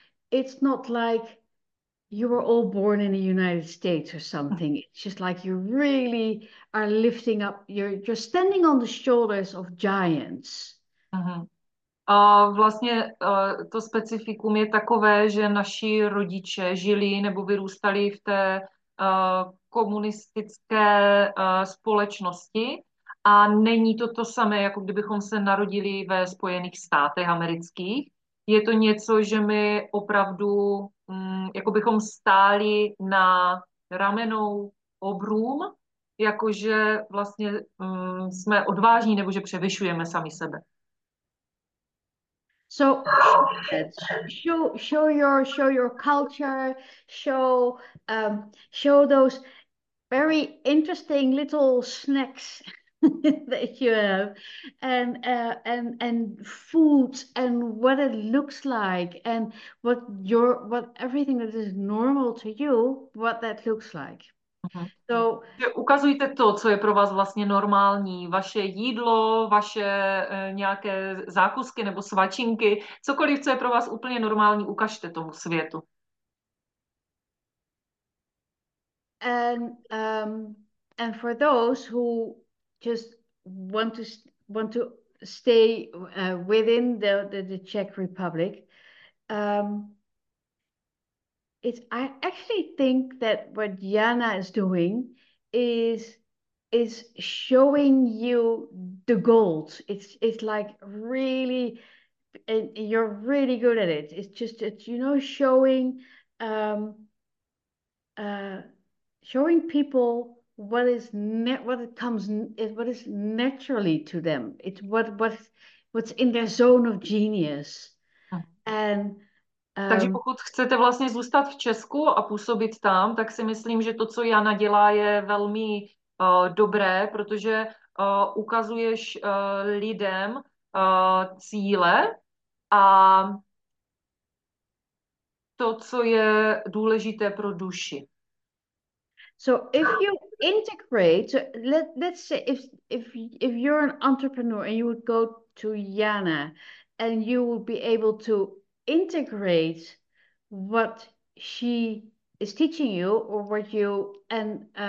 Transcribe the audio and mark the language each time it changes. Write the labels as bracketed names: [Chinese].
[English] It's not like you were all born in the United States or something. It's just like you really are lifting up, you're standing on the shoulders of giants. [Czech] A vlastně to specifikum je takové, že naši rodiče žili nebo vyrůstali v té komunistické společnosti a není to to samé, jako kdybychom se narodili ve Spojených státech amerických. Je to něco, že my opravdu, jako bychom stáli na ramenou obrům, jakože vlastně jsme odvážní nebo že převyšujeme sami sebe. [English] So show your culture, show those very interesting little snacks that you have, and foods, and what it looks like, and what everything that is normal to you, what that looks like. So [Czech] ukazujte to, co je pro vás vlastně normální, vaše jídlo, vaše nějaké zákusky nebo svačinky, cokoliv, co je pro vás úplně normální, ukažte tomu světu. [English] And for those who just want to stay within the Czech Republic, I actually think that what Jana is doing is showing you the gold. It's like really, and you're really good at it. It's showing showing people what is naturally to them. It's what's in their zone of genius. And [Czech] Takže pokud chcete vlastně zůstat v Česku a působit tam, tak si myslím, že to, co Jana dělá, je velmi dobré, protože ukazuješ lidem cíle a to, co je důležité pro duši. [English] So if you integrate, so let's say if you're an entrepreneur and you would go to Jana and you would be able to integrate what she is teaching you, or what you and